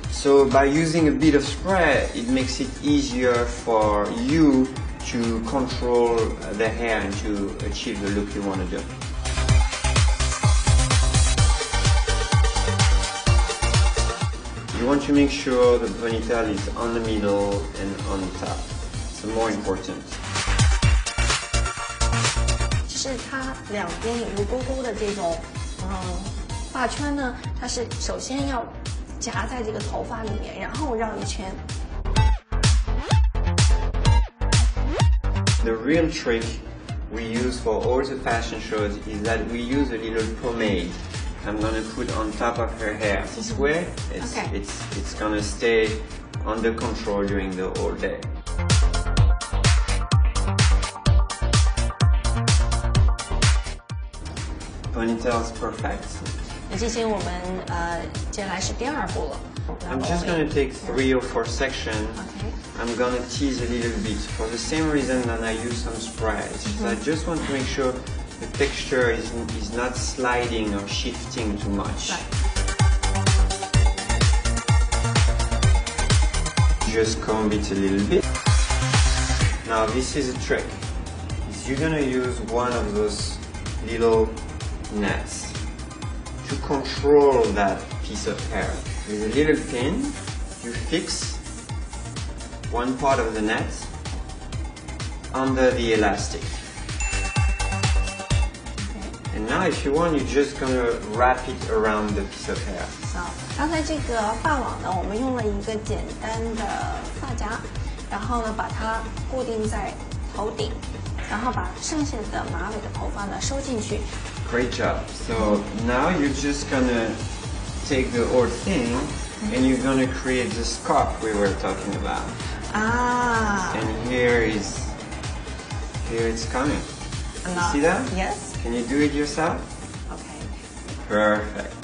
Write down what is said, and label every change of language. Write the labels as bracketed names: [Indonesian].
[English] So by using a bit of spray, it makes it easier for you to control the hair and to achieve the look you want to do. You want to make sure the ponytail is on the middle and on the top. It's more important. [Chinese] 是它两边有个勾勾的这种，发圈呢，它是首先要夹在这个头发里面，然后绕一圈。 [English] The real trick we use for all the fashion shows is that we use a little pomade. I'm gonna put on top of her hair. This way, it's gonna stay under control during the whole day. Ponytail is perfect. [Chinese] 进行我们接下来是第二步了。 [English] I'm just gonna take three or four sections. Okay. I'm gonna tease a little bit for the same reason that I use some spray. I just want to make sure the texture is not sliding or shifting too much. Right. Just comb it a little bit. Now this is a trick. You're gonna use one of those little. Nets to control that piece of hair with a little pin. You fix one part of the net under the elastic, and now if you want, you're just gonna wrap it around the piece of hair. [Chinese] So, 刚才这个发网呢，我们用了一个简单的发夹，然后呢把它固定在头顶，然后把剩下的马尾的头发呢收进去。 [English] Great job. So now you're just gonna take the whole thing And you're gonna create the scarf we were talking about. Ah. And here it's coming. Knot. See that? Yes. Can you do it yourself? Okay. Perfect.